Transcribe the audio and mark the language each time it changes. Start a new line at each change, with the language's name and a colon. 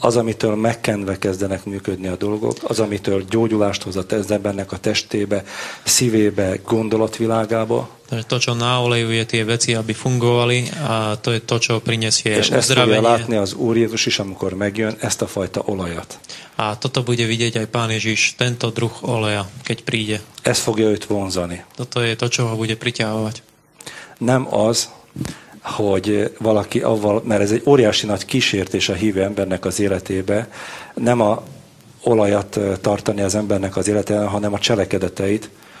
Hungarian: Az, amitől megkenve kezdenek működni a dolgok, az, amitől gyógyulást hoz a embernek a testébe, szívébe, gondolatvilágába.
Slovak: Takže to, čo naolejuje tie veci, aby fungovali, a to je to, čo prinesie uzdravenie.
Hungarian: És ezt fogja látni az Úr Jézus is, amikor megjön, ezt a fajta olajat.
Slovak: A toto bude vidieť aj Pán Ježiš, tento druh oleja, keď príde.
Hungarian: Ez fogja őt vonzani.
Slovak: Toto je to, čo ho bude priťahovať.
Hungarian: Nem az, hogy valaki avval, mert ez egy óriási nagy kísértés a hívő embernek az életébe, nem a olajat tartani az embernek az életében, hanem a cselekedeteit.